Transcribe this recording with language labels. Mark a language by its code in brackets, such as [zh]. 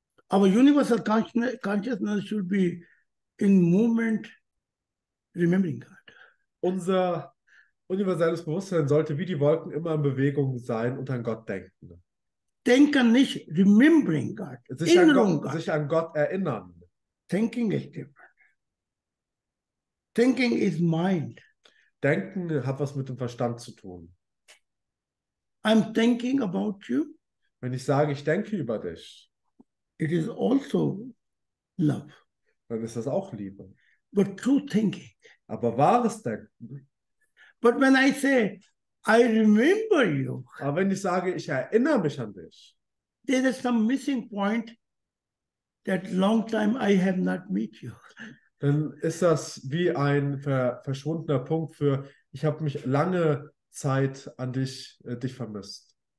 [en] Our universal consciousness should be in movement, remembering God. [de] Unser universelles Bewusstsein sollte wie die Wolken immer in Bewegung sein und an Gott denken. Denken nicht, [en] remembering God. [de] Sich an Gott erinnern. [en] Thinking is different. Thinking is mind. [de] Denken hat was mit dem Verstand zu tun. [en] I'm thinking about you. [de] Wenn ich sage, ich denke über dich. [en] It is also love. [de] Dann ist das auch Liebe. [en] But true thinking. [de] Aber wahres Denken. [en] But when I say, I remember you. [de] Aber wenn ich sage, ich erinnere mich an dich. [en] There is some missing point that long time I have not met you. [de] Dann ist das wie ein verschwundener Punkt für, ich habe mich lange Zeit an dich, dich vermisst.